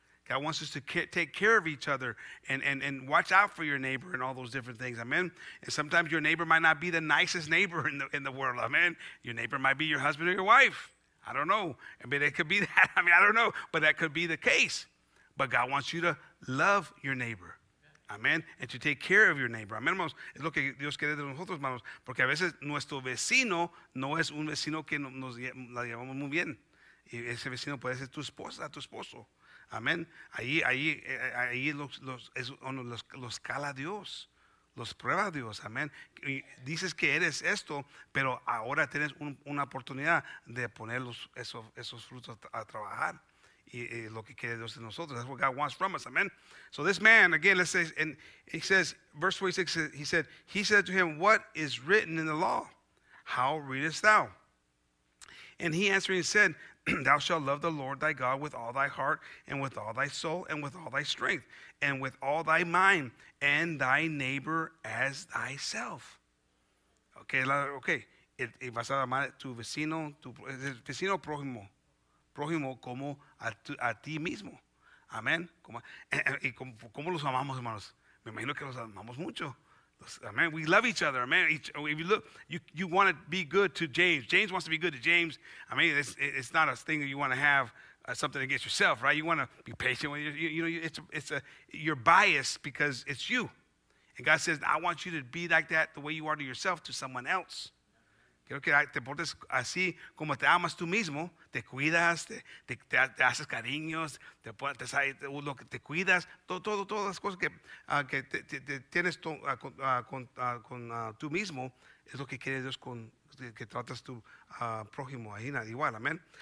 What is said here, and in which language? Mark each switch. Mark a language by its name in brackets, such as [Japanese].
[English] God wants us to take care of each other and watch out for your neighbor and all those different things. Amen. And sometimes your neighbor might not be the nicest neighbor in the world. Amen. Your neighbor might be your husband or your wife. I don't know. I mean, it could be that. I mean, I don't know. But that could be the case. But God wants you to love your neighbor. Amen. And to take care of your neighbor. Amen, hermanos. [Spanish] Es lo que Dios quiere de nosotros, hermanos. Porque a veces nuestro vecino no es un vecino que nos la llevamos muy bien. Y ese vecino puede ser tu esposa, tu esposo. Amén. Ahí es donde los cala Dios, los prueba Dios. Amén. Dices que eres esto, pero ahora tienes una oportunidad de poner esos frutos a trabajar lo que quiere Dios de nosotros. [English] That's what God wants from us. Amen. So this man, again, let's say, and he says, verse 26, he said to him, "What is written in the law? How readest thou?" And he answered and said, "Thou shalt love the Lord thy God with all thy heart and with all thy soul and with all thy strength and with all thy mind and thy neighbor as thyself." [Spanish] Okay. Y vas a amar tu vecino, prójimo. Prójimo como a ti mismo. Amén. ¿Y cómo los amamos, hermanos? Me imagino que los amamos mucho. Amén. [English] We love each other. [Spanish] Amén. [English] If you look, you want to be good to James. James wants to be good to James. I mean, it's not a thing that you want to have something against yourself, right? You want to be patient with it's you're biased because it's you. And God says, I want you to be like that the way you are to yourself to someone else. [Spanish] Quiero que te portes así como te amas tú mismo, te cuidas, te haces cariños, te cuidas, todas las cosas que tienes tú mismo, es lo que quiere Dios con que tratas tu prójimo ahí, igual, amén.